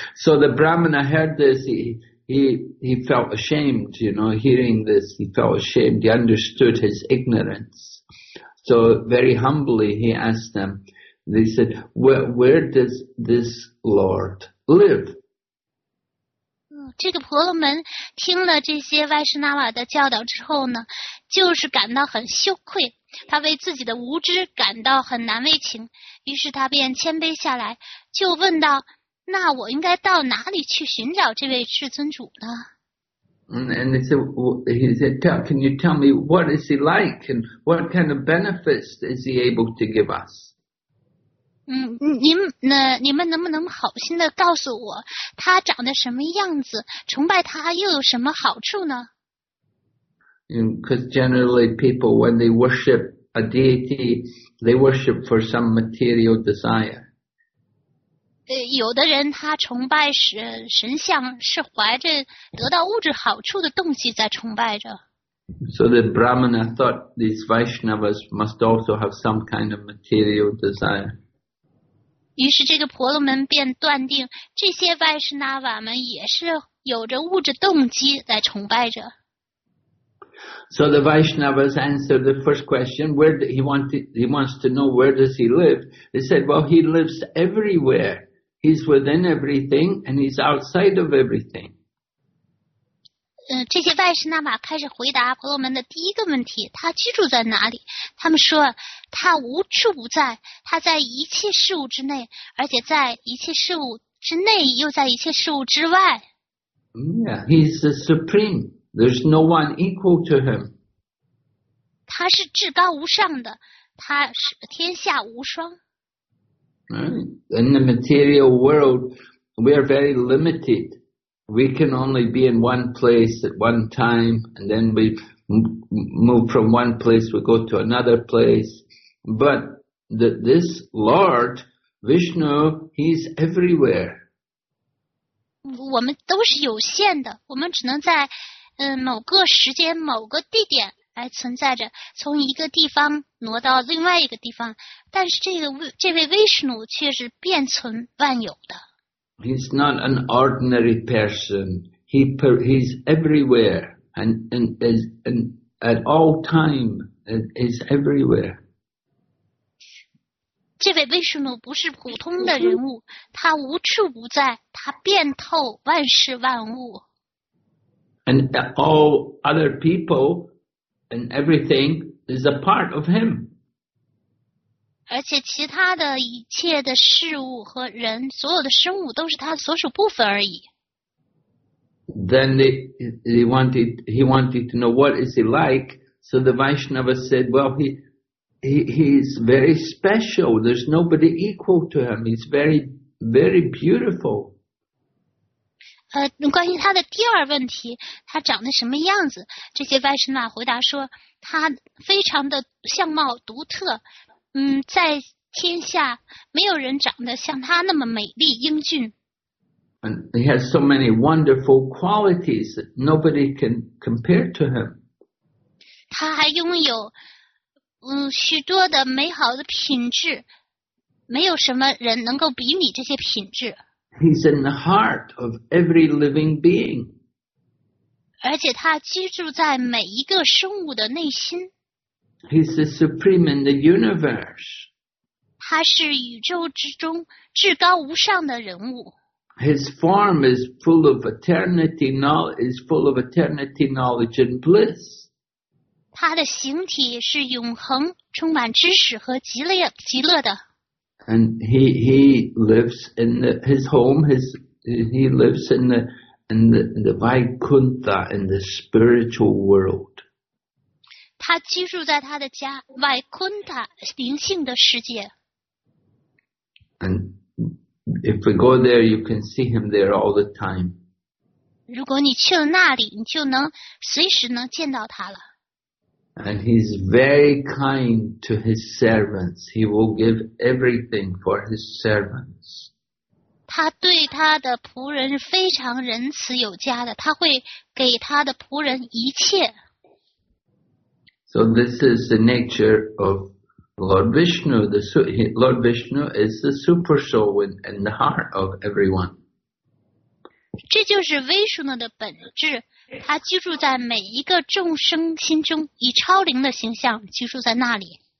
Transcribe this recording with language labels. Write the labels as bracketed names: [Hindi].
[English] So the Brahmana heard this, he felt ashamed, you know, hearing this, he felt ashamed, he understood his ignorance. So very humbly he asked them, they said, where does this Lord live? [Chinese] 这个婆罗门听了这些 Vaishnava 的教导之后呢，就是感到很羞愧，他为自己的无知感到很难为情，于是他便谦卑下来，就问道：那我应该到哪里去寻找这位至尊主呢？ [English] And he said, can you tell me what is he like and what kind of benefits is he able to give us? [Chinese] 你们能不能好心的告诉我，他长得什么样子，崇拜他又有什么好处呢？ [English] Because generally people, when they worship a deity, they worship for some material desire. [Chinese] 有的人他崇拜神像是怀着得到物质好处的动机在崇拜着。 [English] So the Brahmana thought these Vaishnavas must also have some kind of material desire. [Chinese] 于是这个婆罗门便断定这些 Vaishnava 们也是有着物质动机来崇拜着。 [English] So the Vaishnavas answered the first question, he wants to know where does he live. They said, well, he lives everywhere. He's within everything and he's outside of everything. [Chinese] 这些 Vaishnava 开始回答婆罗门的第一个问题，他居住在哪里？他们说他无处不在，他在一切事物之内，而且在一切事物之内又在一切事物之外。 [English] Yeah, he's the supreme. There's no one equal to him. [Chinese] 他是至高无上的，他是天下无双。 [English] Right. In the material world, we are very limited. We can only be in one place at one time, and then we move from one place, we go to another place. But this Lord, Vishnu, he's everywhere. [Chinese] 我们都是有限的，我们只能在某个时间、某个地点来存在着，从一个地方挪到另外一个地方。但是这位 Vishnu 却是遍存万有的。 [English] He's not an ordinary person. He's everywhere and at all time is everywhere. [Chinese] 这位威士努不是普通的人物，他无处不在，他遍透万事万物。 [English] And all other people and everything, is a part of him. [Chinese] 而且其他的一切的事物和人，所有的生物都是他所属部分而已。 [English] Then he wanted to know what is he like. So the Vaishnava said, well, he's very special. There's nobody equal to him. He's very, very beautiful. [Chinese] 关于他的第二问题，他长得什么样子？这些 Vaishnava 回答说，他非常的相貌独特。在天下没有人长得像他那么美丽英俊。 [English] And he has so many wonderful qualities that nobody can compare to him. [Chinese] 他还拥有许多的美好的品质，没有什么人能够比拟这些品质。 [English] He's in the heart of every living being. [Chinese] 而且他居住在每一个生物的内心。 [English] He's the supreme in the universe. [Chinese] 他是宇宙之中至高无上的人物。 [English] His form is full of eternity knowledge, is full of eternity knowledge and bliss. [Chinese] 他的形体是永恒，充满知识和极乐的。 [English] And he lives in his home. He lives in the Vaikuntha in the spiritual world. [Chinese] 他居住在他的家 Vaikuntha 灵性的世界。 [English] And if we go there, you can see him there all the time. [Chinese] 如果你去了那里，你就能随时能见到他了。 [English] And he's very kind to his servants. He will give everything for his servants. [Chinese] 他对他的仆人非常仁慈有加的，他会给他的仆人一切。 [English] So this is the nature of Lord Vishnu. Lord Vishnu is the super soul in the heart of everyone. [Chinese] 这就是 Vishnu 的本质，他居住在每一个众生心中，以超灵的形象居住在那里。